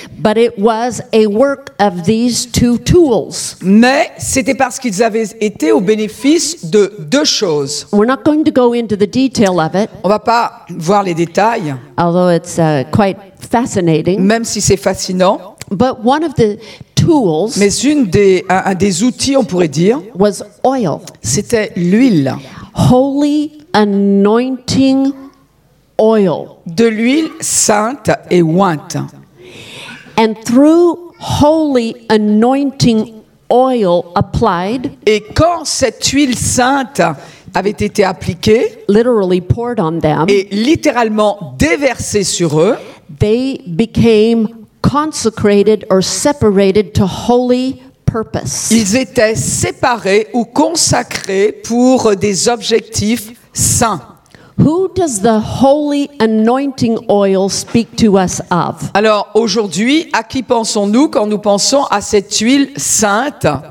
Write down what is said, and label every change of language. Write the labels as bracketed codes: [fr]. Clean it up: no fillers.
[en] But it was a work of these two tools. [fr] Mais c'était parce qu'ils avaient été au bénéfice de deux choses. [en] We're not going to go into the detail of it. [fr] On va pas voir les détails. [en] Although it's quite fascinating. [fr] Même si c'est fascinant. [en] But one of the tools. [fr] Mais un des outils, on pourrait dire. [en] Was oil. [fr] C'était l'huile. [en] Holy anointing oil. [fr] De l'huile sainte et ointe. [en] And through holy anointing oil applied. [fr] Et quand cette huile sainte avait été appliquée. [en] Literally poured on them. [fr] Et littéralement déversée sur eux. [en] They became consecrated or separated to holy purpose. [fr] Ils étaient séparés ou consacrés pour des objectifs saints. [en] Who does the holy anointing oil speak to us of? [fr] Alors aujourd'hui, à qui pensons-nous quand nous pensons à cette huile sainte?